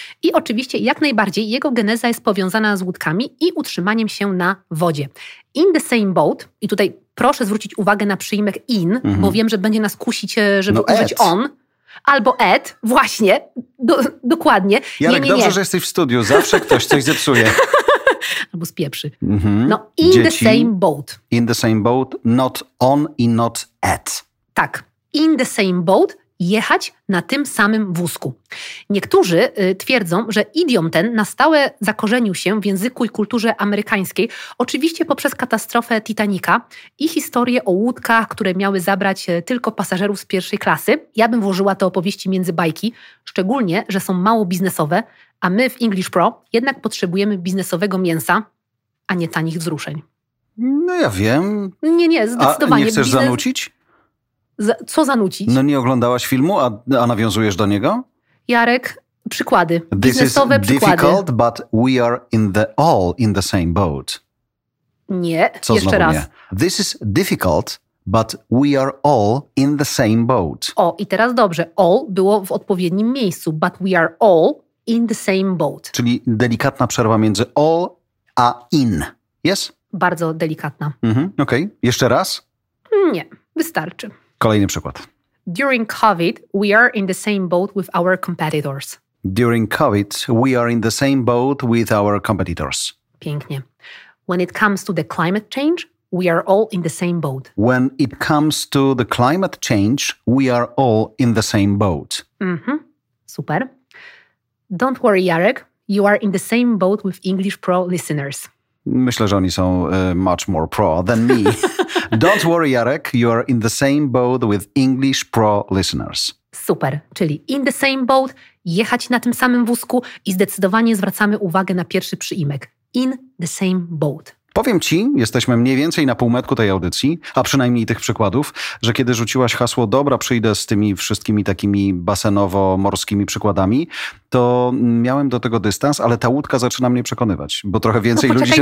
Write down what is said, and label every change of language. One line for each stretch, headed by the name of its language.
Polish: I oczywiście jak najbardziej jego geneza jest powiązana z łódkami i utrzymaniem się na wodzie. In the same boat, i tutaj proszę zwrócić uwagę na przyimek in, bo wiem, że będzie nas kusić, żeby użyć on. Albo at, właśnie, dokładnie. Jarek, nie, nie, dobrze, nie. Że jesteś w studiu, zawsze ktoś coś zepsuje. Albo spieprzy. Mm-hmm. No, in Dzieci,
English: the same boat. In the same boat, not on i not at.
Polish: Tak, in the same boat, jechać na tym samym wózku. Niektórzy twierdzą, że idiom ten na stałe zakorzenił się w języku i kulturze amerykańskiej, oczywiście poprzez katastrofę Titanica i historię o łódkach, które miały zabrać tylko pasażerów z pierwszej klasy. Ja bym włożyła te opowieści między bajki, szczególnie, że są mało biznesowe, a my w English Pro jednak potrzebujemy biznesowego mięsa, a nie tanich wzruszeń. No ja wiem. Nie, nie, zdecydowanie. A nie chcesz zanucić? Co zanucić? No nie oglądałaś filmu, a nawiązujesz do niego? Jarek, przykłady.
English: This
Polish: biznesowe
English: is difficult,
Polish: przykłady.
English: But we are all in the same boat.
Polish: Nie, co jeszcze raz. Nie?
English: This is difficult, but we are all in the same boat.
Polish: O, i teraz dobrze. All było w odpowiednim miejscu.
English: But we are all in the same boat.
Polish: Czyli delikatna przerwa między all a in.
English: Yes?
Polish: Bardzo delikatna. Mm-hmm. Okej, okay. Jeszcze raz? Nie, wystarczy. Kolejny przykład.
English: During COVID, we are in the same boat with our competitors. During COVID, we are in the same boat with our competitors.
Polish: Pięknie.
English: When it comes to the climate change, we are all in the same boat. When it comes to the climate change, we are all in the same boat. Mhm. Super. Don't worry, Jarek. You are in the same boat with English Pro listeners.
Polish: Myślę, że oni są
English: much more pro than me. Don't worry, Jarek, you are in the same boat with English Pro listeners.
Polish: Super, czyli in the same boat, jechać na tym samym wózku i zdecydowanie zwracamy uwagę na pierwszy przyimek.
English: In the same boat.
Polish: Powiem ci, jesteśmy mniej więcej na półmetku tej audycji, a przynajmniej tych przykładów, że kiedy rzuciłaś hasło, dobra, przyjdę z tymi wszystkimi takimi basenowo-morskimi przykładami, to miałem do tego dystans, ale ta łódka zaczyna mnie przekonywać, bo trochę więcej ludzi się